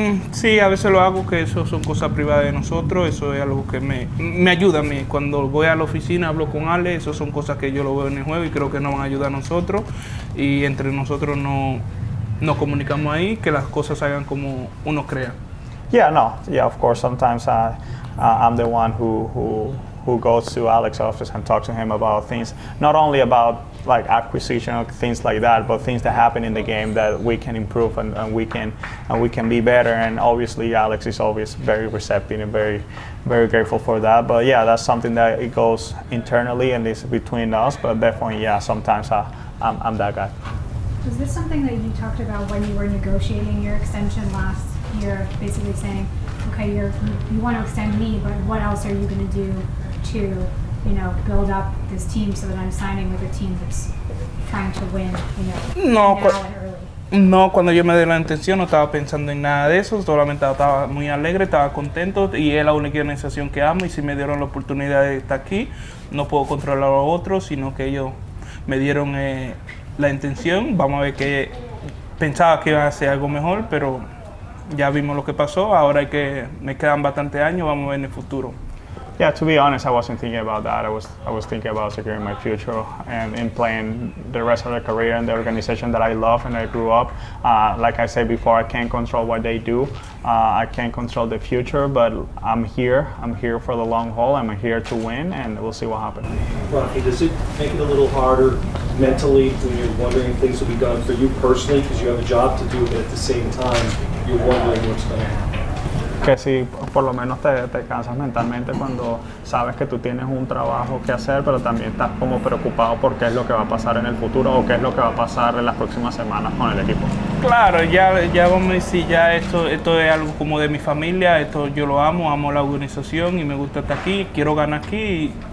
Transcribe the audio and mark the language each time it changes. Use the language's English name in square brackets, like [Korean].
[Spanish] Sí, a veces lo hago, que eso son cosas privadas de nosotros. Eso es algo que me ayuda a mí. Cuando voy a la oficina, hablo con Ale, eso son cosas que yo lo veo en el juego y creo que nos van a ayudar a nosotros. Y entre nosotros nos comunicamos ahí, que las cosas salgan como uno crea. [English] Yeah, no. Yeah, of course, sometimes I'm the one who goes to Alex's office and talks to him about things, not only about like acquisition or things like that, but things that happen in the game that we can improve and we can be better. And obviously Alex is always very receptive and very, very grateful for that. But yeah, that's something that it goes internally and it's between us, but definitely, yeah, sometimes I'm that guy. Was this something that you talked about when you were negotiating your extension last year, basically saying, okay, you want to extend me, but what else are you going to do to, you know, build up this team so that I'm signing with a team that's trying to win, [Spanish] No, cuando yo me di la intención no estaba pensando en nada de eso, solamente estaba muy alegre, estaba contento y es la única organización que amo, y si me dieron la oportunidad de estar aquí, no puedo controlar a otros, sino que ellos me dieron la intención. Vamos a ver, que pensaba que iba a hacer algo mejor, pero ya vimos lo que pasó. Ahora hay que, me quedan bastante años, vamos a ver en el futuro. [English] Yeah, to be honest, I wasn't thinking about that. I was thinking about securing my future and playing the rest of the career in the organization that I love and I grew up. Like I said before, I can't control what they do. I can't control the future, but I'm here. I'm here for the long haul. I'm here to win, and we'll see what happens. Rafi, does it make it a little harder mentally when you're wondering things will be done for you personally, because you have a job to do, but at the same time, you're wondering what's going to happen? Okay, see. [Spanish] por lo menos te cansas mentalmente cuando sabes que tú tienes un trabajo que hacer, pero también estás como preocupado por qué es lo que va a pasar en el futuro o qué es lo que va a pasar en las próximas semanas con el equipo. Claro, ya vamos a decir, ya esto es algo como de mi familia, esto yo lo amo la organización y me gusta estar aquí, quiero ganar aquí.